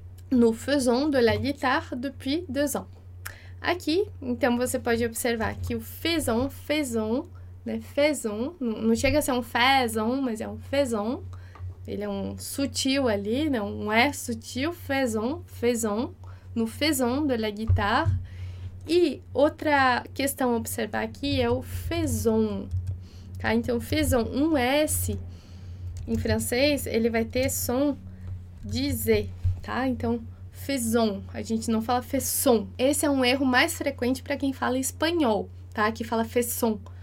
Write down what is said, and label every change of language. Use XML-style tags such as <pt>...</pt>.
<fr>Nous faisons de la guitare depuis 2 ans.</fr> <pt>Aqui, então, você pode observar que o faisons, faisons, né? Faisons, não chega a ser um faisons, mas é um faisons. Ele é um sutil ali, né? Um é sutil, faisons, faisons.</pt> <fr>Nous faisons de la guitare.</fr> <pt>E outra questão a observar aqui é o faisons, tá? Então, faisons, um S em francês, ele vai ter som de Z, tá? Então, faisons, a gente não fala faisons. Esse é um erro mais frequente para quem fala espanhol, tá? Que fala faisons.</pt>